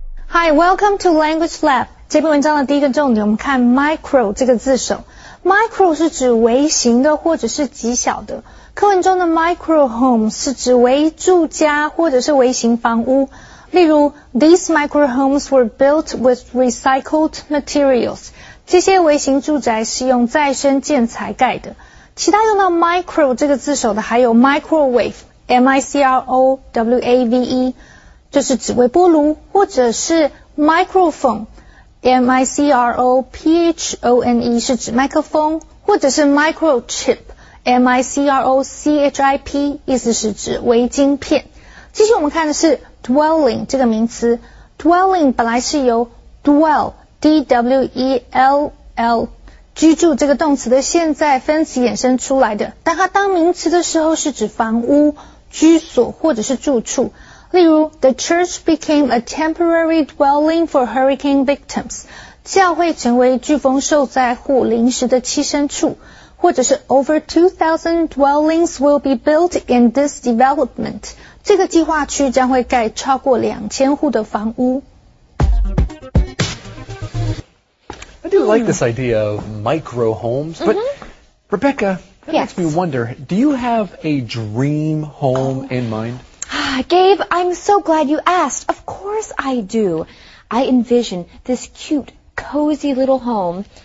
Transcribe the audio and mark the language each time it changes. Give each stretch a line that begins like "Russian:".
English: Hi, welcome to Language Lab.
Chinese: 这篇文章的第一个重点，我们看 micro 这个字首。 micro 是指微型的或者是极小的。课文中的 micro home 是指微住家或者是微型房屋。例如
English: ,these micro homes were built with recycled materials.
Chinese: 这些微型住宅是用再生建材盖的。其他用到 micro 这个字首的还有 microwave, M-I-C-R-O-W-A-V-E,就是指微波炉，或者是 microphone, M-I-C-R-O-P-H-O-N-E 是指麦克风，或者是 microchip, M-I-C-R-O-C-H-I-P 意思是指微晶片。继续我们看的是 dwelling 这个名词。dwelling 本来是由 dwell, D-W-E-L-L 居住这个动词的现在分词衍生出来的，但它当名词的时候是指房屋、居所或者是住处。例如
English: ,the church became a temporary dwelling for hurricane victims.
Chinese: 教会成为飓风受灾户临时的栖身处。或者是
English: ,over 2,000 dwellings will be built in this development.
Chinese: 这个计划区将会盖超过2000户的房屋。
English: I do like this idea of micro homes, but Rebecca, that makes me wonder, do you have a dream home in mind? Gabe, I'm so glad you asked. Of course I do. I envision this cute, cozy little home.